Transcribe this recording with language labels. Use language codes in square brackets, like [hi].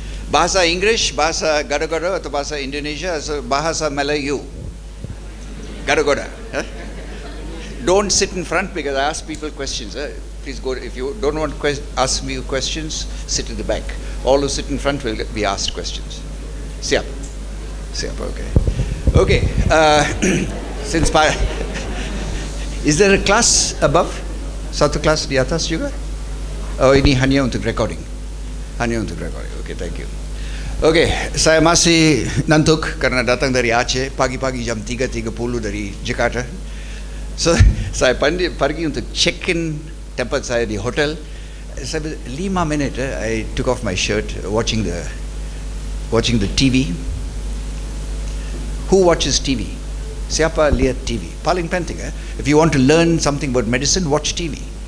[id] Bahasa Inggris, bahasa Gadagada atau bahasa Indonesia, bahasa Melayu. Gadagada. [en] Don't sit in front because I ask people questions. Please go, if you don't want to ask me questions, sit in the back. All who sit in front will be asked questions. [id] Siap. Siap, [en] okay. Okay, since by... Is there a class above? [id] Satu class di atas juga? Oh, ini hanya untuk recording. Hanya untuk recording. [en] Okay, thank you. [id] Okay, saya masih ngantuk karena datang dari Aceh pagi-pagi jam 3.30 dari Jakarta. So, saya pergi untuk check-in tempat saya di hotel. Saya 5 menit, [en] I took off my shirt watching the TV. Who watches TV? [id] Siapa lihat TV? Paling penting, [en] if you want to learn something about medicine, watch TV.